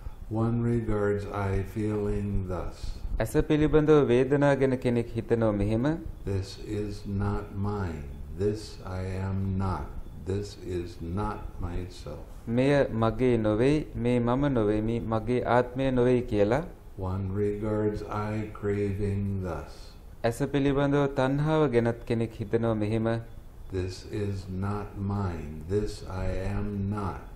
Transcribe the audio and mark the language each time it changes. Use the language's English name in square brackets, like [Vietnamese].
[English] one regards I feeling thus [Sinhala] ඇස පිළිබඳව වේදනා ගැන කෙනෙක් හිතනවා මෙහෙම [English] this is not mine this I am not this is not myself. [Sinhala] මෙය මගේ නොවේ, මේ මම නොවේ, මේ මගේ ආත්මය නොවේ කියලා. [English] One regards I craving thus. [Sinhala] ඇස පිළිබඳව තණ්හාව ගෙනත් කෙනෙක් හිතනවා මෙහෙම. [English] This is not mine. This I am not.